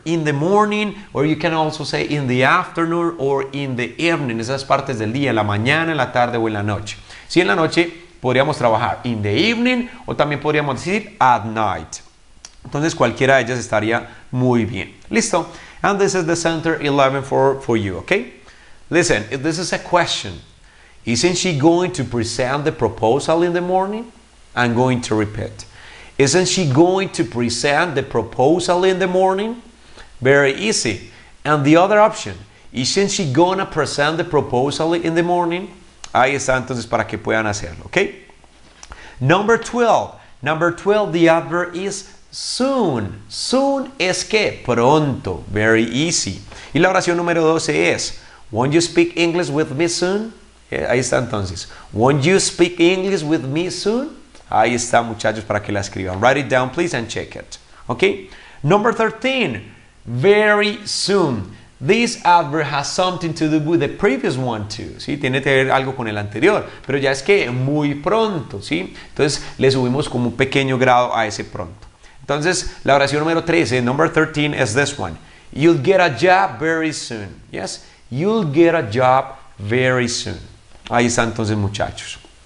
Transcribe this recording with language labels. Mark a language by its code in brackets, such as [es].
[en] In the morning, or you can also say in the afternoon or in the evening. [es] Esas partes del día, la mañana, la tarde o en la noche. Si en la noche. Podríamos trabajar [en] in the evening [es] o también podríamos decir [en] at night. [es] Entonces cualquiera de ellas estaría muy bien. Listo. [en] And this is the center 11 for you, [es] ¿ok? [en] Listen, this is a question. Isn't she going to present the proposal in the morning? I'm going to repeat. Isn't she going to present the proposal in the morning? Very easy. And the other option. Isn't she going to present the proposal in the morning? [es] Ahí está entonces para que puedan hacerlo, ¿ok? [en] Number 12. Number 12, the adverb is soon. [es] Soon es que pronto. [en] Very easy. [es] Y la oración número 12 es, [en] won't you speak English with me soon? [es] Ahí está entonces. [en] Won't you speak English with me soon? [es] Ahí está, muchachos, para que la escriban. [en] Write it down, please, and check it. ¿Ok? Number 13. Very soon. This adverb has something to do with the previous one too. [es] ¿Sí? Tiene que ver algo con el anterior, pero ya es que muy pronto, ¿sí? Entonces le subimos como un pequeño grado a ese pronto. Entonces, la oración número 13, [en] number 13 es this one. You'll get a job very soon. Yes, you'll get a job very soon. [es] Ahí está entonces, muchachos.